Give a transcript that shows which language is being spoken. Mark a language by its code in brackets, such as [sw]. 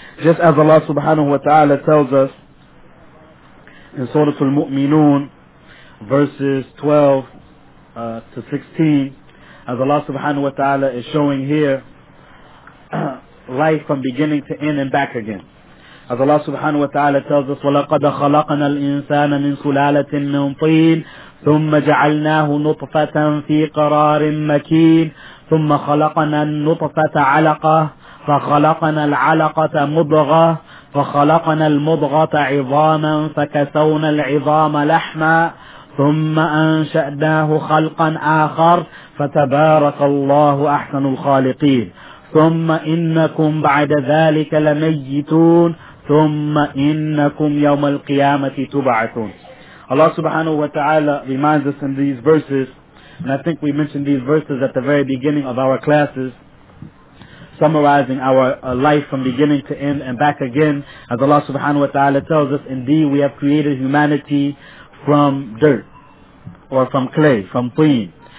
[en] Just as Allah subhanahu wa ta'ala tells us in Surah Al-Mu'minun, verses 12 to 16, as Allah subhanahu wa ta'ala is showing here life from beginning to end and back again. As Allah subhanahu wa ta'ala tells us, [ar] وَلَقَدَ خَلَقَنَا الْإِنسَانَ مِنْ سُلَالَةٍ مِنْ طِينٍ ثم جعلناه نطفة في قرار مكين ثم خلقنا النطفة علقة فخلقنا العلقة مضغة فخلقنا المضغة عظاما فكسونا العظام لحما ثم أنشأناه خلقا آخر فتبارك الله أحسن الخالقين ثم إنكم بعد ذلك لميتون ثم إنكم يوم القيامة تبعثون. [en] Allah subhanahu wa ta'ala reminds us in these verses, and I think we mentioned these verses at the very beginning of our classes, summarizing our life from beginning to end and back again, as Allah subhanahu wa ta'ala tells us, indeed we have created humanity from dirt, or from clay, from tin.